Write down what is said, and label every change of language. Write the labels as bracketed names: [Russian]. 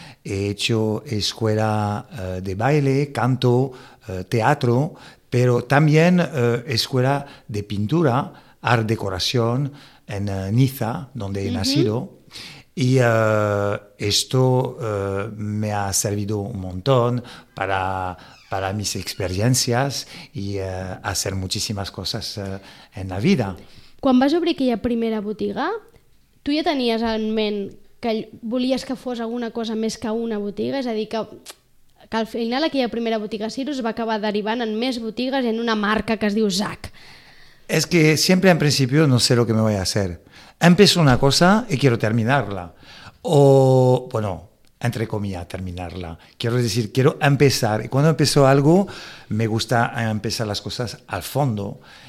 [Spanish] He hecho escuela de baile, canto, teatro, pero también escuela de pintura, art decoración en Niza, donde he nacido. Y esto me ha servido un montón para mis experiencias y hacer muchísimas cosas en la vida. [Catalan] Quan vas obrir aquella primera botiga, tu ja tenies en ment que volies que fos alguna cosa més que una botiga? És a dir, que al final aquella primera botiga Cyrus va acabar derivant en més botigues i en una marca que es diu Zac. [Spanish] Es que siempre en principio no sé lo que me voy a hacer. Empiezo una cosa y quiero terminarla. O, bueno, entre comillas, terminarla. Quiero decir, quiero empezar. Y cuando empiezo algo, me gusta empezar las cosas al fondo.